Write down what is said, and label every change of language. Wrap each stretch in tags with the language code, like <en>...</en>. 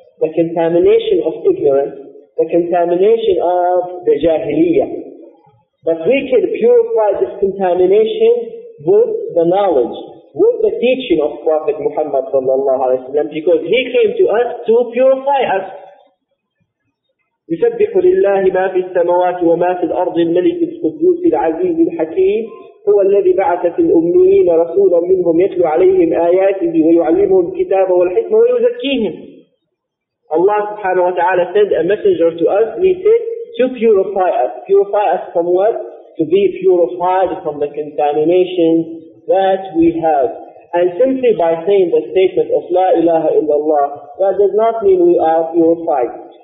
<en>The contamination of ignorance, the contamination of the jahiliyyah. But we can purify this contamination with the knowledge, with the teaching of Prophet Muhammad sallallahu alaihi wasallam, because he came to us to purify us.</en> <ar>يسبح لله ما في السماوات وما في الأرض الملك القدوس العزيز الحكيم هو الذي بعث في الأميين رسولا منهم يتلو عليهم آياته ويعلمهم الكتاب والحكمة ويزكيهم.</ar> <en>Allah subhanahu wa ta'ala sent a messenger to us, he said, to purify us. Purify us from what? To be purified from the contamination that we have. And simply by saying the statement of La ilaha illallah, that does not mean we are purified.</en>